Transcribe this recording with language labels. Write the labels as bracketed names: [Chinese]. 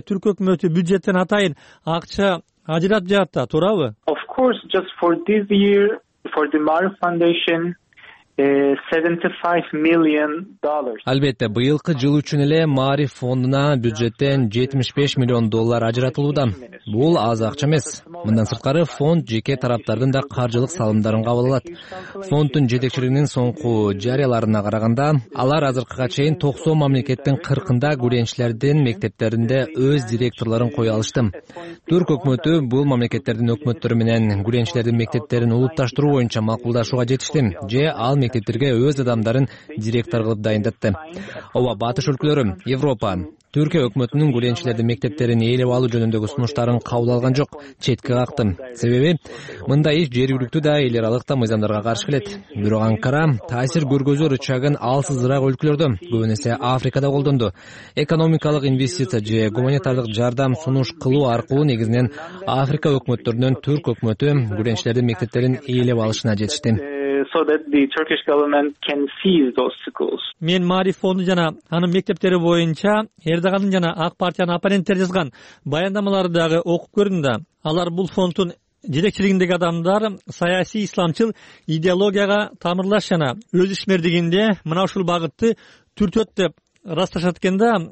[Kyrgyz] Түрк өкмөтү бюджеттен атайын акча ажыратып жатат да, туурабы? [English] Of course, just for this year, for the Maarif Foundation, $75 million. [Kyrgyz] Албетте, быйылкы жыл үчүн эле Маариф фондуна бюджеттен $75 million ажыратылууда. Бул аз акча эмес. Мындан сырткары фонд жеке тараптардын да каржылык салымдарын кабыл алат. Фонддун жетекчилигинин соңку жарыяларына караганда, алар азыркыга чейин 90 мамлекеттин 40-ында гүленчилердин мектептеринде өз директорлорун кое алышты. Түрк өкмөтү бул мамлекеттердин өкмөттөрү менен гүленчилердин мектептерин улутташтыруу боюнча макулдашууга жетишти же ал мектептерге өз адамдарын директор кылып дайындатты. Ооба, батыш өлкөлөрү, Европа, Түркия өкмөтүнүн гүленчилердин мектептерин ээлеп алуу жөнүндөгү сунуштарын кабыл алган жок, четке кактым. Себеби мындай иш жергиликтүү да эл аралык да мыйзамдарга каршы келет. Бирок Анкара таасир көргөзөр рычагын алсызыраак өлкөлөрдө, көбүн эсе Африкада колдонду. Экономикалык инвестиция же гуманитардык жардам сунуш кылуу аркылуу негизинен Африка өкмөттөрүнөн түрк өкмөтү гүленчилердин мектептерин ээлеп алышына жетишти. [English] So that the Turkish government can seize those schools. [Kyrgyz] Мен Маариф фонду жана анын мектептери боюнча Эрдогандын жана Ак партиянын оппоненттери жазган баяндамаларды дагы окуп көрдүм да. Алар бул фонддун жетекчилигиндеги адамдар саясий исламчыл идеологияга тамырлаш жана өз ишмердигинде мына ушул багытты түртөт деп расташат экен да.